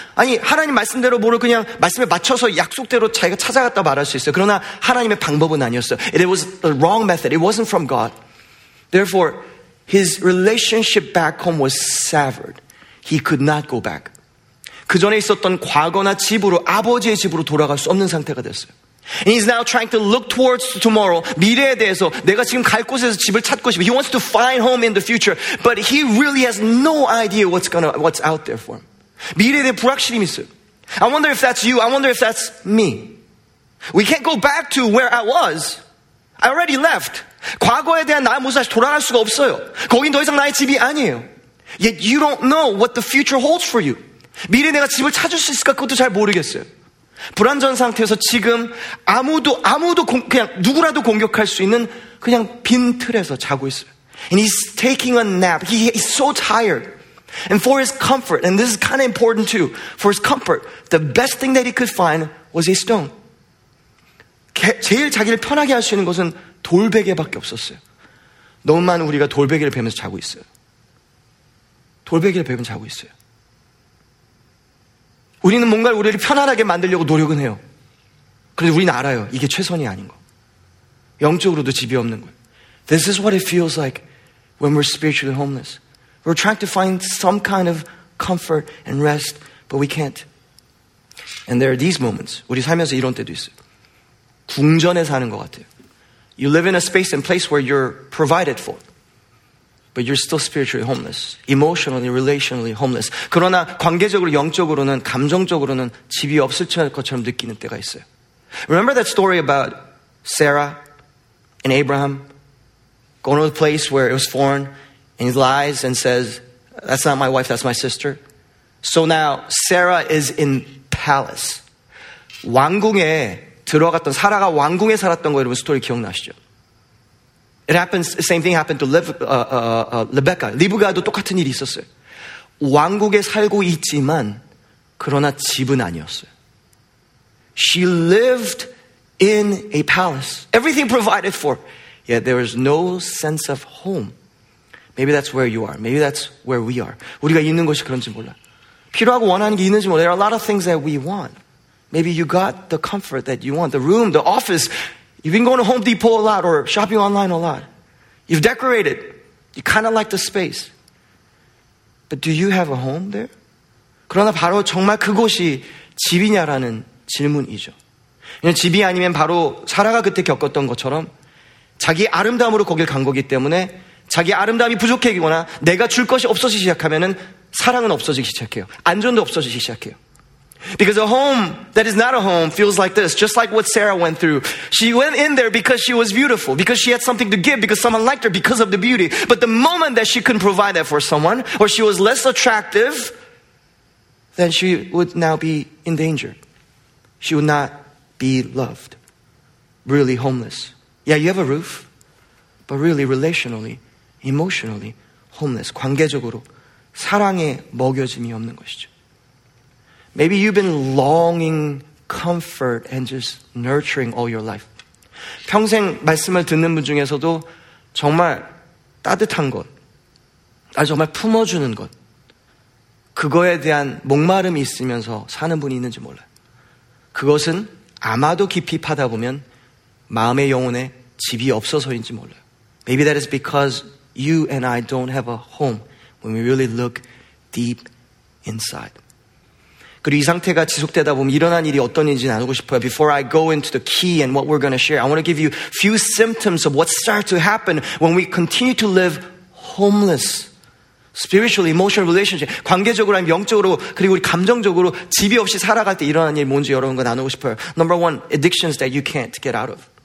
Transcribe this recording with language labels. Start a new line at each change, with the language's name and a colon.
Korean: 아니, 하나님 말씀대로 모를 그냥 말씀에 맞춰서 약속대로 자기가 찾아갔다 말할 수 있어요. 그러나 하나님의 방법은 아니었어요.
English: It was the wrong method. It wasn't from God. Therefore, his relationship back home was severed. He could not go back.
Korean: 그 전에 있었던 과거나 집으로, 아버지의 집으로 돌아갈 수 없는 상태가 됐어요.
English: And he's now trying to look towards tomorrow,
Korean: 미래에 대해서 내가 지금 갈 곳에서 집을 찾고 싶어.
English: He wants to find home in the future, but he really has no idea what's out there for him.
Korean: 미래에 대해 불확실함이 있어요.
English: I wonder if that's you, I wonder if that's me. We can't go back to where I was. I already left.
Korean: 과거에 대한 나의 모습 다시 돌아갈 수가 없어요. 거긴 더 이상 나의 집이 아니에요.
English: Yet you don't know what the future holds for you.
Korean: 미래에 내가 집을 찾을 수 있을까 그것도 잘 모르겠어요. 불안전 상태에서 지금 그냥 누구라도 공격할 수 있는 그냥 빈 틀에서 자고 있어요.
English: And he's taking a nap. He's so tired. And for his comfort, and this is kind of important too, for his comfort, the best thing that he could find was a stone.
Korean: 제일 자기를 편하게 할 수 있는 것은 돌베개밖에 없었어요. 너무 많은 우리가 돌베개를 베면서 자고 있어요. 돌베개를 베면 자고 있어요. 우리는 뭔가를 우리를 편안하게 만들려고 노력은 해요. 그런데 우리는 알아요. 이게 최선이 아닌 거. 영적으로도 집이 없는 거.
English: This is what it feels like when we're spiritually homeless. We're trying to find some kind of comfort and rest, but we can't. And there are these moments.
Korean: 우리 살면서 이런 때도 있어요. 궁전에 사는 것 같아요.
English: You live in a space and place where you're provided for. But you're still spiritually homeless, emotionally, relationally homeless.
Korean: 그러나 관계적으로, 영적으로는, 감정적으로는 집이 없을 것처럼 느끼는 때가 있어요.
English: Remember that story about Sarah and Abraham going to a place where it was foreign and he lies and says, that's not my wife, that's my sister. So now Sarah is in palace.
Korean: 왕궁에 들어갔던, 사라가 왕궁에 살았던 거 여러분 스토리 기억나시죠?
English: It happens, the same thing happened to Rebecca.
Korean: 리브가도 똑같은 일이 있었어요. 왕국에 살고 있지만, 그러나 집은 아니었어요.
English: She lived in a palace. Everything provided for. Yet there is no sense of home. Maybe that's where you are. Maybe that's where we are.
Korean: 우리가 있는 곳이 그런지 몰라. 필요하고 원하는 게 있는지 몰라.
English: There are a lot of things that we want. Maybe you got the comfort that you want. The room, the office. You've been going to Home Depot a lot or shopping online a lot. You've decorated. You kind of like the space. But do you have a home there?
Korean: 그러나 바로 정말 그곳이 집이냐라는 질문이죠. 그냥 집이 아니면 바로 사라가 그때 겪었던 것처럼 자기 아름다움으로 거길 간 거기 때문에 자기 아름다움이 부족해지거나 내가 줄 것이 없어지기 시작하면은 사랑은 없어지기 시작해요. 안전도 없어지기 시작해요.
English: Because a home that is not a home feels like this, just like what Sarah went through. She went in there because she was beautiful, because she had something to give, because someone liked her because of the beauty. But the moment that she couldn't provide that for someone, or she was less attractive, then she would now be in danger. She would not be loved. Really homeless. Yeah, you have a roof, but really relationally, emotionally homeless.
Korean: 관계적으로 사랑에 먹여짐이 없는 것이죠.
English: Maybe you've been longing comfort and just nurturing all your life.
Korean: 평생 말씀을 듣는 분 중에서도 정말 따뜻한 것, 나 정말 품어주는 것, 그거에 대한 목마름이 있으면서 사는 분이 있는지 몰라요. 그것은 아마도 깊이 파다 보면 마음의 영혼에 집이 없어서인지 몰라요.
English: Maybe that is because you and I don't have a home when we really look deep inside.
Korean: 그리고 이 상태가 지속되다 보면 일어난 일이 어떤 일인지 나누고 싶어요.
English: Before I go into the key and what we're going to share, I want to give you a few symptoms of what starts to happen when we continue to live homeless. Spiritually, emotional relationship.
Korean: 관계적으로 아니면 영적으로 그리고 감정적으로 집이 없이 살아갈 때 일어난 일이 뭔지 여러분과 나누고 싶어요.
English: Number one, addictions that you can't get out of.